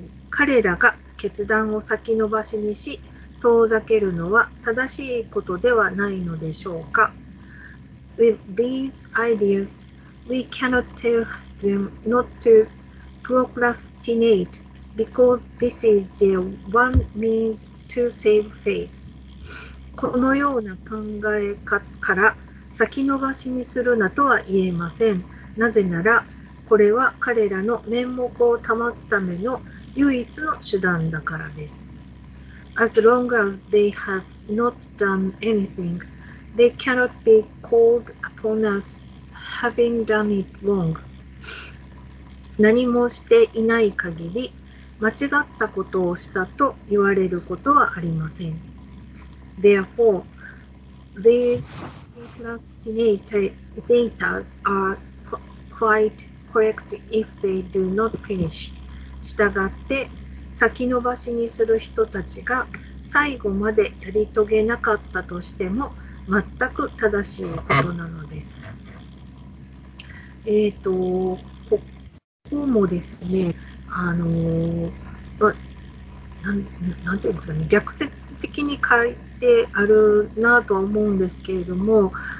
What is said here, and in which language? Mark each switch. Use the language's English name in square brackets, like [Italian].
[Japanese] 彼らが決断を先延ばしにし、遠ざけるのは正しいことではないのでしょうか。 [English] With these ideas, we cannot tell them not to procrastinate because this is their one means to save face. [Japanese] このような考えから先延ばしにするなとは言えません。なぜなら、これは彼らの面目を保つための唯一の手段だからです。 [English] As long as they have not done anything, they cannot be called upon as having done it wrong. [Japanese] 何もしていない限り、間違ったことをしたと言われることはありません。 [English] Therefore, these procrastinators are quite correct if they do not finish. [Japanese] したがって、先延ばしにする人たちが最後までやり遂げなかったとしても全く正しいことなのです。ここもですね、なんていうんですかね、逆説的に書いてあるなとは思うんですけれども、